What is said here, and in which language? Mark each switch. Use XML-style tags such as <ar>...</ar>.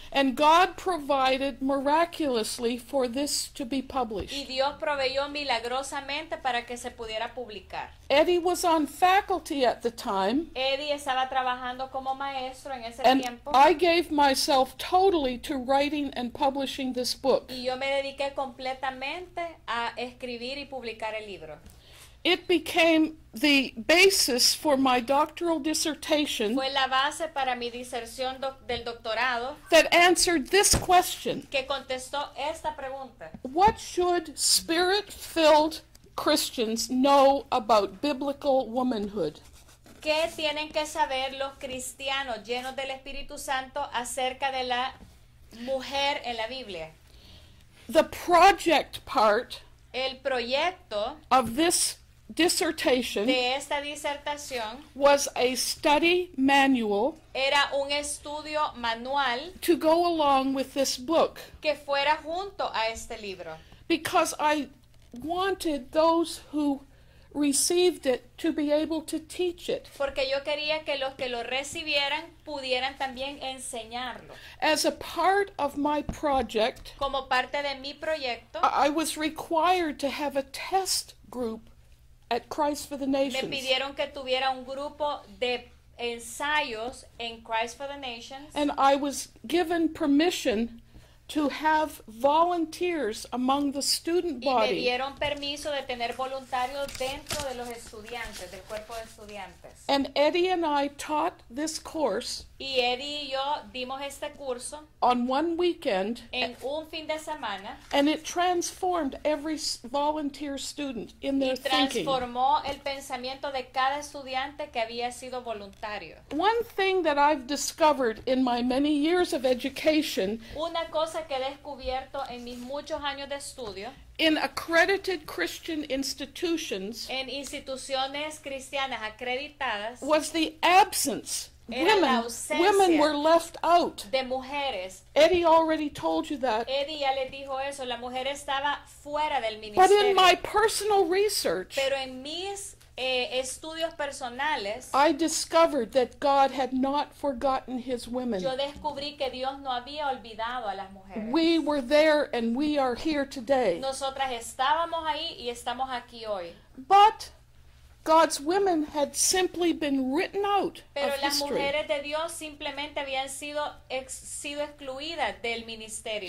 <en>And God provided miraculously for this to be published.</en> <es>Y Dios proveyó milagrosamente para que se pudiera publicar.</es> <en>Eddie was on faculty at the time.</en> <es>Eddie estaba trabajando como maestro en ese</es> <en>and</en> <es>tiempo.</es> <en>I gave myself totally to writing and publishing this book.</en> <es>Y yo me dediqué completamente a escribir y publicar el libro.</es> <en>It became the basis for my doctoral dissertation.</en> <es>Fue la base para mi disertación del doctorado.</es> <en>That answered this question.</en> <es>Que contestó esta pregunta.</es> <en>What should spirit-filled Christians know about biblical womanhood?</en> <es>¿Qué tienen que saber los cristianos llenos del Espíritu Santo acerca de la mujer en la Biblia?</es> <en>The project part</en> <es>El proyecto</es> <en>of this dissertation</en> <es>de esta disertación</es> <en>was a study manual</en> <es>era un estudio manual</es> <en>to go along with this book</en> <es>que fuera junto a este libro</es> <en>because I wanted those who received it to be able to teach it</en> <es>porque yo quería que los que lo recibieran pudieran también enseñarlo</es> <en>as a part of my project</en> <es>como parte de mi proyecto</es> <en>I was required to have a test group at Christ for the Nations.</en> <es>Me pidieron que tuviera un grupo de ensayos en Christ for the Nations.</es> <en>And I was given permission to have volunteers among the student body.</en> <es>Y me dieron permiso de tener voluntarios dentro de los estudiantes, del cuerpo de estudiantes.</es> <en>And Eddie and I taught this course.</en> <es>Y Eddie y yo dimos este curso.</es> <en>On one weekend.</en> <es>En un fin de semana.</es> <en>And it transformed every volunteer student in their thinking.</en> <es>Y transformó el pensamiento de cada estudiante que había sido voluntario.</es> <en>One thing that I've discovered in my many years of education.</en> <es>Una cosa que he descubierto en mis muchos años de estudio.</es> <en>In accredited Christian institutions.</en> <es>En instituciones cristianas acreditadas.</es> <en>Was the absence. Women were left out.</en> <es>De mujeres.</es> <en>Eddie already told you that.</en> <es>Eddie ya le dijo eso. La mujer estaba fuera del ministerio.</es> <en>But in my personal research.</en> <es>Pero en mis estudios personales.</es> <en>I discovered that God had not forgotten his women.</en> <es>Yo descubrí que Dios no había olvidado a las mujeres.</es> <en>We were there and we are here today.</en> <es>Nosotras estábamos ahí y estamos aquí hoy.</es> <en>But God's women had simply been written out</en> <es>Pero</es> <en>of history.</en> <es>Pero las mujeres de Dios simplemente habían sido excluidas del ministerio.</es>